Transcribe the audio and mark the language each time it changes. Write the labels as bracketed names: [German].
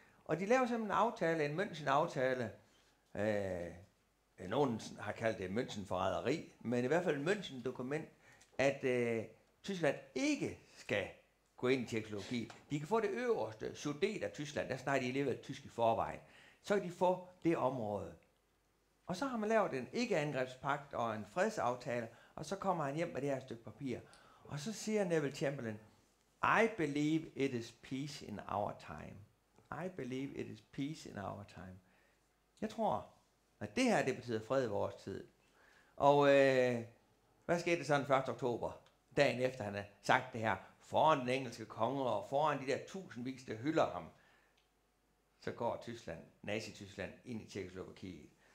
[Danish] Og de laver simpelthen en aftale, en München-aftale. Nogen har kaldt det München-forræderi, men i hvert fald en München-dokument, at Tyskland ikke skal gå ind i teknologi. De kan få det øverste, Sudet af Tyskland, der snakker de alligevel tysk i forvejen. Så kan de få det område. Og så har man lavet en ikke-angrebspagt og en fredsaftale, og så kommer han hjem med det her stykke papir. Og så siger Neville Chamberlain, [English] I believe it is peace in our time. I believe it is peace in our time. [Danish] Jeg tror, at det her, det betyder fred i vores tid. Og hvad skete det så den 1. oktober, dagen efter han har sagt det her, foran den engelske konge og foran de der tusindvis, der hylder ham, så går Tyskland, Nazi-Tyskland, ind i Tjekkoslovakiet.